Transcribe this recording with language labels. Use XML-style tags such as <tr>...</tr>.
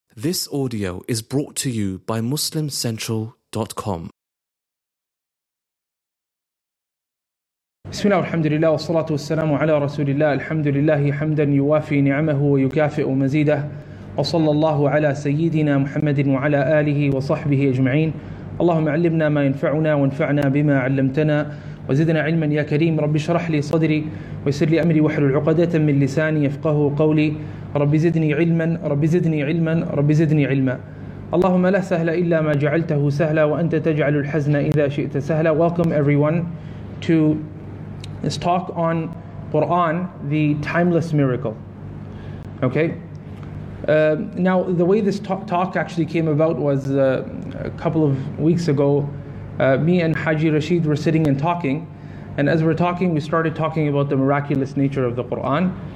<en>This audio is brought to you by MuslimCentral.com.</en> <ar>بسم الله والحمد لله والصلاة والسلام على رسول الله الحمد لله حمدا يوافي نعمه ويكافئ مزيده وصلى الله على سيدنا محمد وعلى آله وصحبه أجمعين اللهم علمنا ما ينفعنا وانفعنا بما علمتنا وزدنا علما يا كريم رب اشرح لي صدري ويسر لي أمري واحلل عقدة من لساني يفقه قولي رب زدني علما رب زدني علما رب زدني علما اللهم لا سهل إلا ما جعلته سهلا وأنت تجعل الحزن إذا شئت سهلا.</ar> <en>Welcome everyone to this talk on Quran, the timeless miracle. Okay. Now, the way this talk actually came about was a couple of weeks ago. Me and Haji Rashid were sitting and talking, and as we're talking, we started talking about the miraculous nature of the Quran.</en>